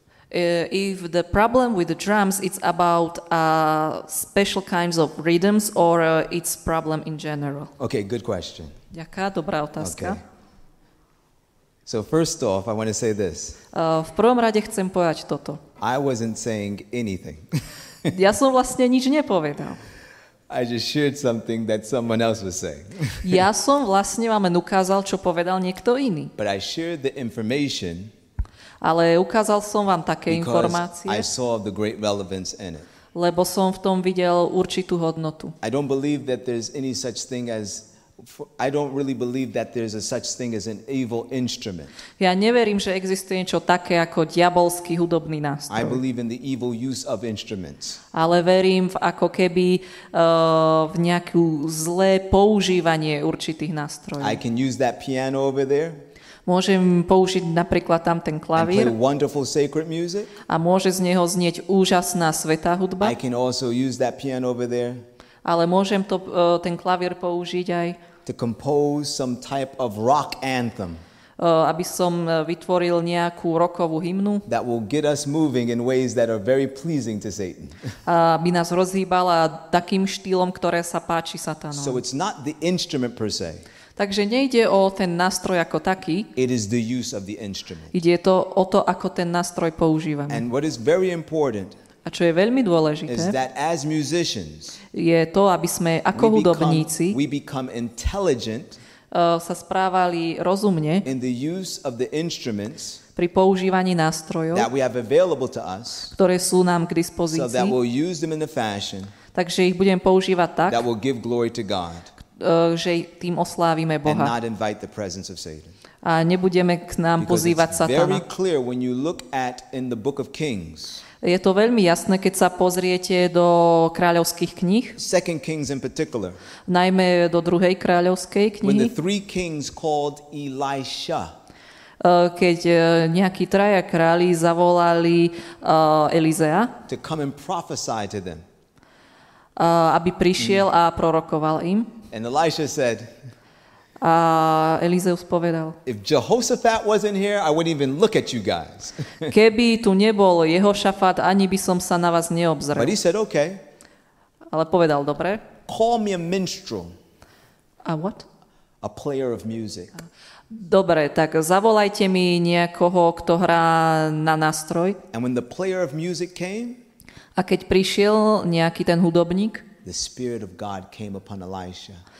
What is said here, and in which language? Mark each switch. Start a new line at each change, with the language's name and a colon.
English: If the problem with the drums, it's about special kinds of rhythms or it's problem in general. Okay, good question.
Slovak: Ďaká, dobrá otázka. Okay.
English: So first off, I want to say this.
Slovak: V prvom rade chcem povedať toto.
English: I wasn't saying anything.
Slovak: Ja som vlastne nič nepovedal.
English: I just shared something that someone else was saying.
Slovak: Ja som vlastne vám ukázal, čo povedal niekto iný.
English: But I shared the information.
Slovak: Ale ukázal som vám také informácie.
English: I saw the great relevance in it.
Slovak: Lebo som v tom videl určitú hodnotu.
English: I don't believe that there's any such thing as I don't really believe that there's a such thing as an evil instrument.
Slovak: Ja neverím, že existuje niečo také ako diabolský hudobný nástroj.
English: I believe in the evil use of instruments.
Slovak: Ale verím v ako keby v nejakú zlé používanie určitých nástrojov.
English: I can use that piano over there.
Slovak: Môžem použiť napríklad tam ten klavír.
English: And play wonderful sacred music.
Slovak: A môže z neho znieť úžasná svätá hudba.
English: I can also use that piano over there.
Slovak: Ale môžem to ten klavír použiť aj
English: to compose some type of rock anthem.
Slovak: aby som vytvoril nejakú rockovú hymnu.
English: That will get us moving in ways that are very pleasing to Satan.
Slovak: Aby nás rozhýbala takým štýlom, ktoré sa páči Satanovi.
English: So it's not the instrument per se.
Slovak: Takže nejde o ten nástroj ako taký.
English: It is the use of the instrument.
Slovak: Ide to o to, ako ten nástroj používame.
English: And what is very important,
Slovak: a čo je veľmi dôležité,
English: is that as musicians,
Slovak: je to, aby sme ako hudobníci
English: we become intelligent,
Slovak: sa správali rozumne
English: in the use of the instruments,
Slovak: pri používaní nástrojov,
English: that we have available to us,
Slovak: ktoré sú nám k dispozícii,
English: so that we'll use them in the fashion,
Slovak: takže ich budem používať tak,
English: that will give glory to God,
Slovak: že tým oslávime Boha.
English: And not invite the presence of Satan.
Slovak: A nebudeme k nám pozývať Satana.
English: Because it's very clear when you look at in the book of Kings.
Slovak: Je to veľmi jasné, keď sa pozriete do kráľovských kníh.
English: Second Kings in particular.
Slovak: Najmä do druhej kráľovskej knihy.
English: When the three kings called Elisha.
Slovak: Keď nejakí traja králi zavolali Elizea.
English: To come and prophesy to them.
Slovak: Aby prišiel a prorokoval im.
English: And Elisha said,
Slovak: a Elizeus povedal,
English: if Jehoshaphat wasn't here, I wouldn't even look at you guys.
Slovak: Keby tu nebol Jehošafat, ani by som sa na vás neobzrel.
English: But he said, okay.
Slovak: Ale povedal, dobre.
English: Call me a minstrel. A what? A player of music.
Slovak: Dobre, tak zavolajte mi niekoho, kto hrá na nástroj.
English: And when the player of music came,
Slovak: a keď prišiel nejaký ten hudobník,
English: the spirit of God came upon Elisha.